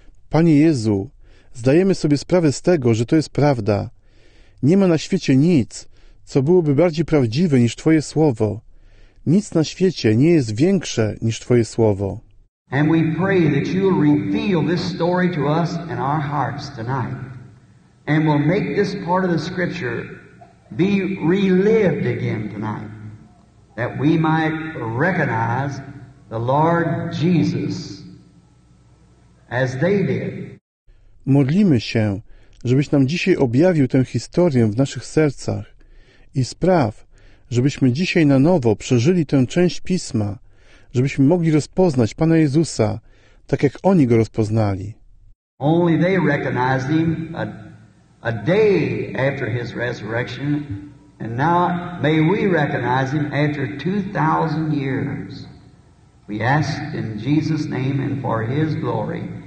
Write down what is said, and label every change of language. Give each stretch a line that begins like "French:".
Polish: Panie Jezu, zdajemy sobie sprawę z tego, że to jest prawda. Nie ma na świecie nic, co byłoby bardziej prawdziwe niż Twoje Słowo. Nic na świecie nie jest większe niż Twoje Słowo.
English: And we pray that you'll reveal this story to us in our hearts tonight. And we'll make this part of the scripture be relived again tonight. That we might recognize the Lord Jesus as they did.
Polish: Modlimy się, żebyś nam dzisiaj objawił tę historię w naszych sercach i spraw, żebyśmy dzisiaj na nowo przeżyli tę część Pisma, żebyśmy mogli rozpoznać Pana Jezusa, tak jak oni Go rozpoznali.
English: Only they recognized Him a day after His resurrection, and now may we recognize Him after 2,000 years. We ask in Jesus' name and for His glory.